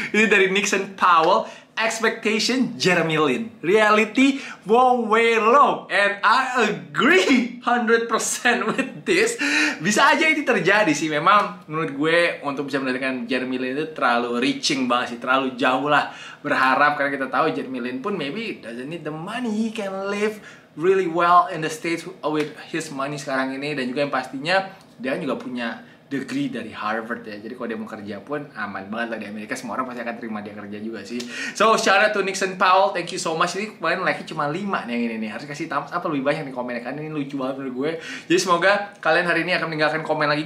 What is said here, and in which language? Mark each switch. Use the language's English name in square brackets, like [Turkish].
[Indonesian] Ini dari Nixon Powell. Expectation, Jeremy Lin. [English] Reality, won't way low. And I agree 100% with this. [Indonesian] Bisa aja ini terjadi sih. Memang menurut gue untuk bisa mendapatkan Jeremy Lin itu terlalu reaching banget sih. Terlalu jauh lah berharap. Karena kita tahu Jeremy Lin pun [English] maybe doesn't need the money. He can live really well in the States with his money [Indonesian] sekarang ini. Dan juga yang pastinya dia juga punya degree dari Harvard ya. Jadi kalau dia mau kerja pun aman banget lah di Amerika. Semua orang pasti akan terima dia kerja juga sih. [English] So, shout out to Nixon Powell. Thank you so much. [Indonesian] Ini kemarin like-nya cuma 5 nih yang ini nih. Harus kasih thumbs up lebih banyak nih komennya. Kan ini lucu banget menurut gue. Jadi semoga kalian hari ini akan meninggalkan komen lagi.